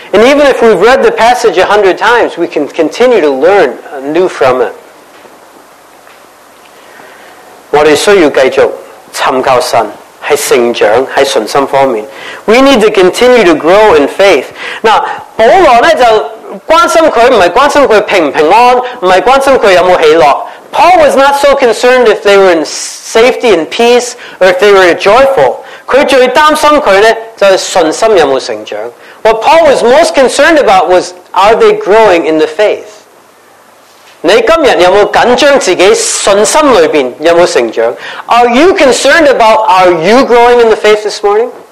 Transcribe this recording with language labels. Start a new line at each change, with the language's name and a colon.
English: And even if we've read the passage 100 times, we can continue to learn anew from it.
Chinese: 我们需要继续寻求神，是成长，是信心方面。
English: We need to continue to grow in faith. Now,
Chinese: 保罗呢，就关心他，不是关心他平不平安，不是关心他有没有喜乐。
English: Paul was not so concerned if they were in safety and peace or if they were joyful.
Chinese: 他最担心他呢，就是信心有没有成长。
English: What Paul was most concerned about was, are they growing in the faith?
Chinese: 你今天有没有紧张自己信心里面有没有成长？
English: Are you concerned about, are you growing in the faith this morning?